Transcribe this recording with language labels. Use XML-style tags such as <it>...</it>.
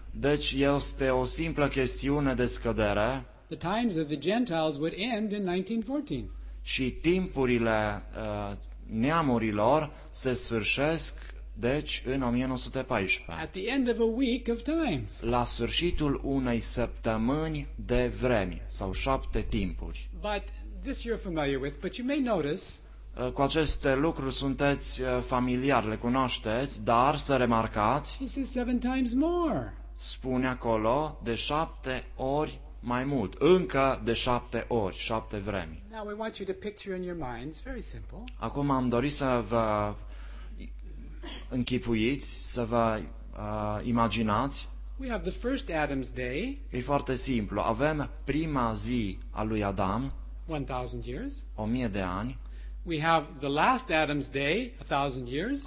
<ro>Deci este o simplă chestiune de scădere.</ro> <en>The times of the Gentiles would end in 1914.</en> <ro>Și timpurile neamurilor se sfârșesc, deci, în 1914.</ro> <en>At the end of a week of times.</en> <ro>La sfârșitul unei săptămâni de vremi, sau 7 timpuri.</ro> <en>But this you're familiar with, but you may notice.</en> <ro>Cu aceste lucruri sunteți familiar, le cunoașteți, dar să remarcați.</ro> <en>He says 7 times more.</en> <ro>Spune acolo de 7 ori mai mult, încă de 7 ori, 7 vremi.</ro> <en>Now we want you to picture in your minds, very simple.</en> <ro>Acum am dorit să vă închipuiți, să vă imaginați.</ro> <en>We have the first Adam's day.</en> <ro>E foarte simplu. Avem prima zi a lui Adam.</ro> <en>1000 years.</en> <ro>1000 de ani.</ro> <en>We have the last Adam's day, 1000 years.</en>